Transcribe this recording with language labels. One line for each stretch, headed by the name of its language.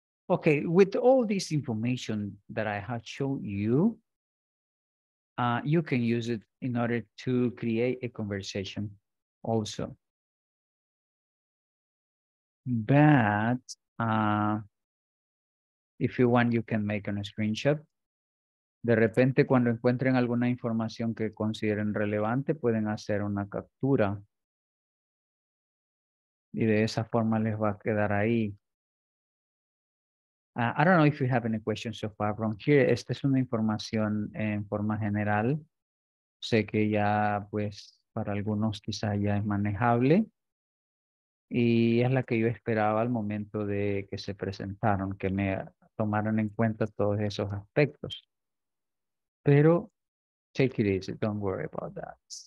English: Okay, with all this information that I have shown you, you can use it in order to create a conversation also. But if you want, you can make a screenshot.
Spanish: De repente, cuando encuentren alguna información que consideren relevante, pueden hacer una captura. Y de esa forma les va a quedar ahí.
English: I don't know if you have any questions so far from here.
Spanish: Esta es una información en forma general. Sé que ya, pues, para algunos quizá ya es manejable. Y es la que yo esperaba al momento de que se presentaron, que me tomaran en cuenta todos esos aspectos.
English: Pero, take it easy, don't worry about that.